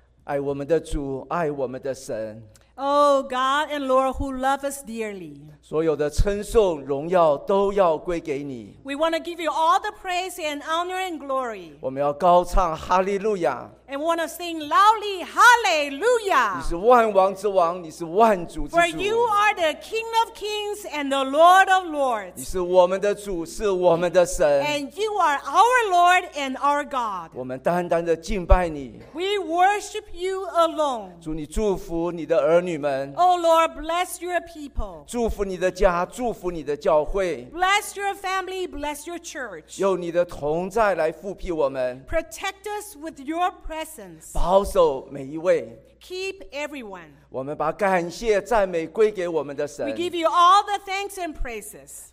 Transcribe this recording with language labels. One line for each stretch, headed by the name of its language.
Chinese: 爱我们的主，爱我们的神。
English: Oh God and Lord who love us dearly.
Chinese: 所有的称颂荣耀都要归给你。
English: We want to give you all the praise and honor and glory.
Chinese: 我们要高唱哈利路亚。
English: And we want to sing loudly hallelujah.
Chinese: 你是万王之王，你是万主之主。
English: For you are the King of kings and the Lord of lords.
Chinese: 你是我们的主，是我们的神。
English: And you are our Lord and our God.
Chinese: 我们单单的敬拜你。
English: We worship you alone.
Chinese: 主，你祝福你的儿女们。
English: Oh Lord, bless your people.
Chinese: 祝福你的家，祝福你的教会。
English: Bless your family, bless your church.
Chinese: 用你的同在来覆庇我们。
English: Protect us with your presence.
Chinese: 保守每一位。
English: Keep everyone.
Chinese: 我们把感谢赞美归给我们的神。
English: We give you all the thanks and praises.